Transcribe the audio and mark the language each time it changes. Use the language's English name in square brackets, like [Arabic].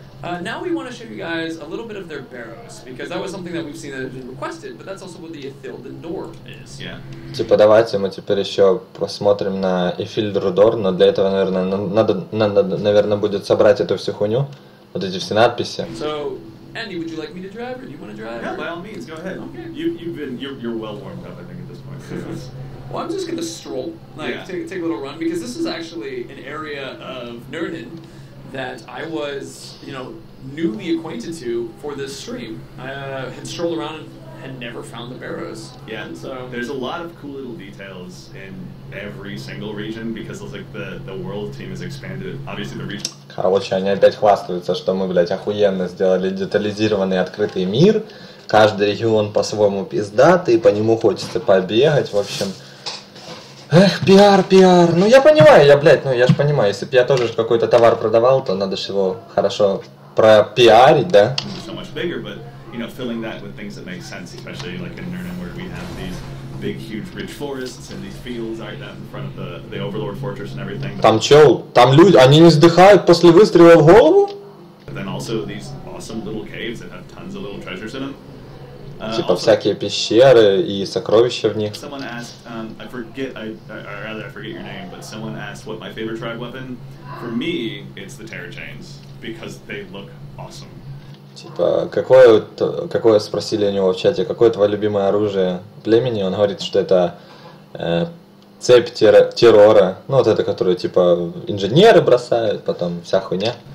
[English] Now we want to show you guys a little bit of their barrows, because that was something that we've seen that had been requested, but that's also what the Ithilden door is. Yeah. [Russian] Типа, давайте мы теперь еще посмотрим на Ithilden door, но для этого, наверное, надо, будет собрать эту всю хуйню, вот эти все надписи. [English] So, Andy, would you like me to drive, or do you want to drive? Yeah, by all means, go ahead. Okay. You're well warmed up, I think, at this point. Well, I'm just going to stroll, take a little run, because this is actually an area of Nurnin. That I was, you know, newly acquainted to for this stream. I had strolled around and had never found the barrows. Yeah, and so there's a lot of cool little details in every single region because it's like the world team has expanded. Obviously, the region. [Russian] Короче, они опять хвастаются, что мы, блядь, охуенно сделали детализированный открытый мир. Каждый регион по-своему пиздатый, по нему хочется побегать. В общем. Эх, пиар. Ну я понимаю, я понимаю. Если бы я тоже какой-то товар продавал, то надо же его хорошо пропиарить, да? [English] So much bigger, but, you know, filling that with things that make sense, especially like in Nurnin, where we have these big, huge, rich forests and these fields right down in front of the Overlord Fortress and everything. [Russian] Там чел, там люди, они не вздыхают после выстрела в голову? [English] But then also these awesome little caves that have tons of little treasures in them. [Russian] Типа всякие пещеры и сокровища в них. [English] Someone asked, I forget, I forget your name, but someone asked what my favorite tribe weapon. For me, it's the Terror Chains, because they look awesome. [Russian] Типа, какое спросили у него в чате, какое твое любимое оружие племени? Он говорит, что это цепь террора. Ну вот это, которую типа инженеры бросают, потом вся хуйня.